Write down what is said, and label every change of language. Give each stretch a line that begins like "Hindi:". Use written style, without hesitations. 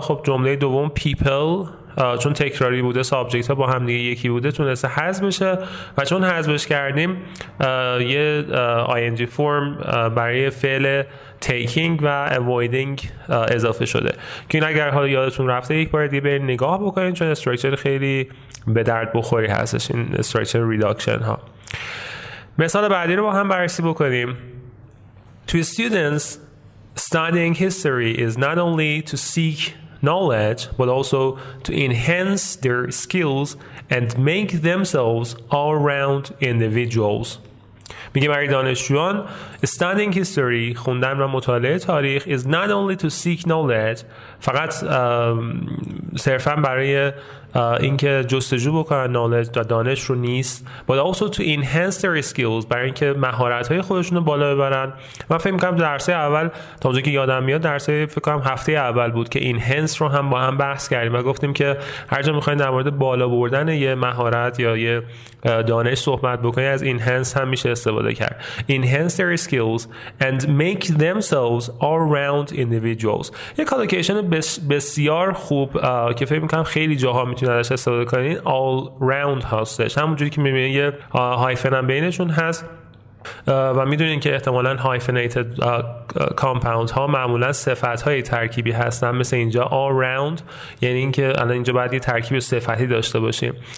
Persian: خب جمله دوم people چون تکراری بوده، سابجکت ها با هم دیگه یکی بوده، تونسته حذف بشه، و چون حذفش کردیم یه ing form برای فعل taking و avoiding اضافه شده، که این اگر حالا یادتون رفته یک بار دیگه برید نگاه بکنید، چون استراکچر خیلی به درد بخوری هستش این استراکچر ریداکشن ها. مثال بعدی رو با هم بررسی بکنیم.
English: To students, studying history is not only to seek knowledge but also to enhance their skills and make themselves all-round individuals.
Persian: میگه برای دانشجویان
English: studying history،
Persian: خوندن و مطالعه تاریخ،
English: is not only to seek knowledge،
Persian: فقط صرفا برای اینکه جستجو بکنن knowledge و دانش رو نیست،
English: but also to enhance their skills،
Persian: برای اینکه مهارت‌های خودشون رو بالا ببرن. من فکر می‌کنم درس اول، تا اونجایی که یادم میاد درس فکر کنم هفته اول بود که enhance رو هم با هم بحث کردیم و گفتیم که هر جا می‌خواید در مورد بالا بردن یه مهارت یا یه دانش صحبت بکنی، از enhance هم میشه استفاده کرد.
English: Enhance their skills and make themselves all-round individuals.
Persian: یه کالوکیشن بسیار خوب که فکر می‌کنم خیلی جاها میتونید ازش استفاده کنید، all-round هستش، همونجوری که می‌بینید یه هایفن هم بینشون هست، و میدونین که احتمالاً hyphenated compound ها معمولاً صفت های ترکیبی هستن، مثل اینجا all round، یعنی اینکه الان اینجا باید یه ترکیب صفتی داشته باشیم.